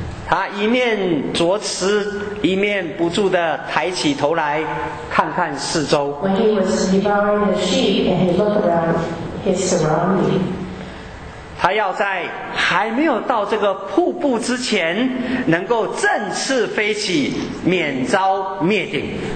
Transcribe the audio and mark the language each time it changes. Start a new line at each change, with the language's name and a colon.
Chinese: 他一面啄食，一面不住地抬起头来看看四周。
English: When he was devouring the sheep and he looked around his surroundings,
Chinese: 他要在还没有到这个瀑布之前，能够振翅飞起，免遭灭顶。